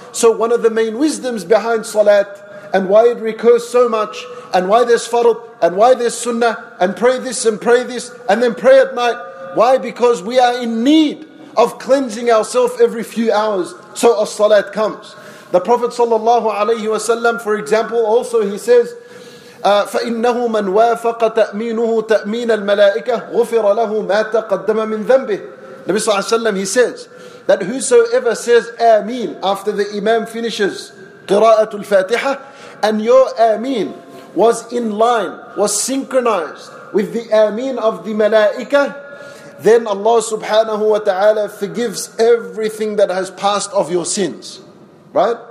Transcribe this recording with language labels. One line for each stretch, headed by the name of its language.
English: So one of the main wisdoms behind Salat, and why it recurs so much, and why there's Farad, and why there's Sunnah, and pray this and pray this, and then pray at night. Why? Because we are in need of cleansing ourselves every few hours, so a Salat comes. The Prophet sallallahu alayhi wasallam, for example, also he says,
Arabic: فَإِنَّهُ مَنْ وَافَقَ تَأْمِينُهُ تَأْمِينَ الْمَلَائِكَةِ غُفِرَ لَهُ مَا تَقَدَّمَ مِنْ ذَنْبِهِ.
English: Nabi sallallahu alayhi wa sallam, he says that whosoever says Ameen after the Imam finishes Qira'atul Fatiha, and your ameen was in line, was synchronized with the ameen of the malaika, then Allah subhanahu wa ta'ala forgives everything that has passed of your sins. Right?